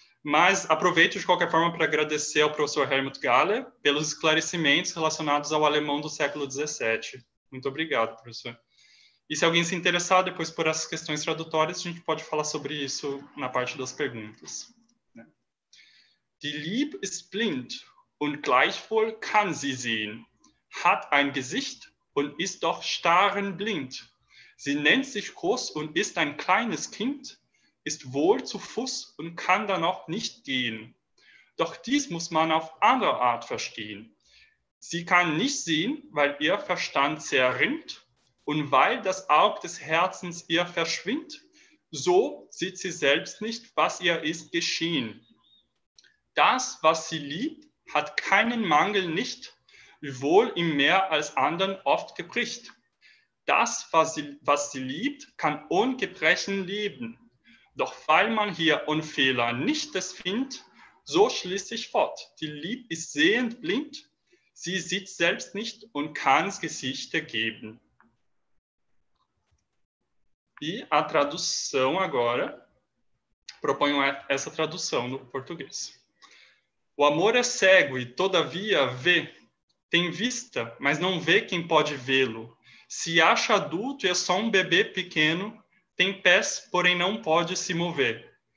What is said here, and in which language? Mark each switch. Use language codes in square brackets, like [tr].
[pt] Mas aproveito, de qualquer forma, para agradecer ao professor Helmut Galler pelos esclarecimentos relacionados ao alemão do século XVII. Muito obrigado, professor. E se alguém se interessar depois por essas questões tradutórias, a gente pode falar sobre isso na parte das perguntas. [de] Die Lieb ist blind und gleichwohl kann sie sehen, hat ein Gesicht und ist doch starren blind. Sie nennt sich groß und ist ein kleines Kind, ist wohl zu Fuß und kann dann noch nicht gehen. Doch dies muss man auf andere Art verstehen. Sie kann nicht sehen, weil ihr Verstand zerrinnt und weil das Auge des Herzens ihr verschwindt, so sieht sie selbst nicht, was ihr ist geschehen. Das, was sie liebt, hat keinen Mangel nicht, wohl ihm mehr als anderen oft gebricht. Das, was sie liebt, kann ohne Gebrechen leben. Doch weil man hier Unfehler nicht es findet, so schließt sich fort. Die Lieb ist sehend blind, sie sieht selbst nicht und kann's Gesichter geben. [pt] E a tradução agora, proponho essa tradução no português. O amor é cego e, todavia, vê. Tem vista, mas não vê quem pode vê-lo. Se acha adulto e é só um bebê pequeno, tem pés, porém não pode se mover.